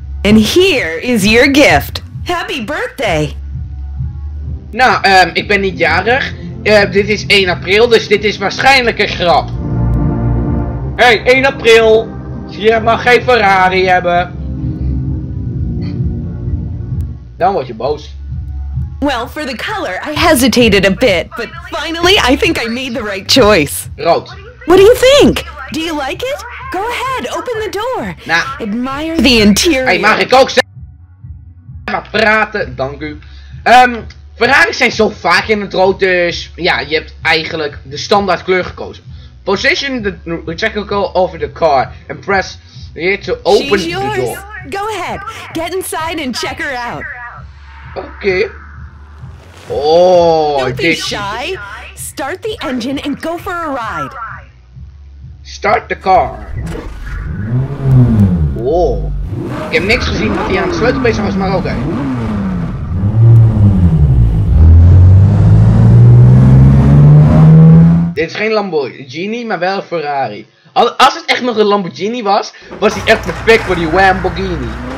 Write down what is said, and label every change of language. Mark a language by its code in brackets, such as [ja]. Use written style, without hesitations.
[en] And here is your gift. Happy birthday. [nl] Nou, ik ben niet jarig. Dit is 1 april, dus dit is waarschijnlijk een grap. Hey, 1 april. Je mag geen Ferrari hebben. Dan word je boos. [en] Well, for the color, I hesitated a bit, but finally I think I made the right choice. [nl] Rood. [en] What do you think? Do you like it? Go ahead, open the door. Nah. Admire the interior. [nl] Hey, mag ik ook zeggen? Maar praten, dank u. Ferraris zijn zo vaak in het rood, dus ja, je hebt eigenlijk de standaard kleur gekozen. [en] Position the receptacle over the car and press here to open She's yours. The door. Go ahead, get inside and check her out. Oké. Okay. Oh, don't be shy. Start the engine and go for a ride. Start the car. Oh. [nl] Ik heb niks gezien dat hij aan de sleutel bezig was, maar oké. Dit is geen Lamborghini, maar wel een Ferrari. Als het echt nog een Lamborghini was, was hij echt perfect voor die Lamborghini.